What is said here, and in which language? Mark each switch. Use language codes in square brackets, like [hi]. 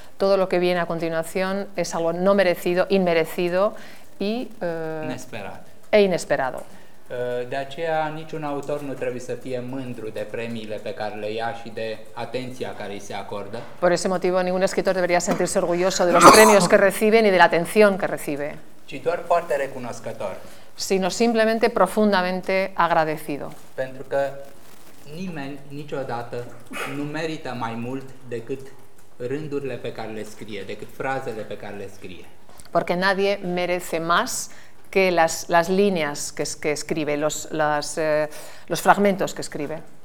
[es] Todo lo que viene a continuación es algo no merecido, inmerecido y [ro] nesperat. [es] E inesperado. [ro] De aceea niciun autor nu trebuie să fie mândru de premiile pe care le ia și de atenția care îi se acordă. [es] Por ese motivo ningún escritor debería sentirse orgulloso de los premios que recibe ni de la atención que recibe. [ro] Ci doar foarte recunoscător. [es] Sino simplemente profundamente agradecido. [ro] Pentru că nimeni niciodată nu merită mai mult decât rândurile pe care le scrie, decât frazele pe care le scrie. [es] Porque nadie merece más que las líneas que escribe, los fragmentos que escribe.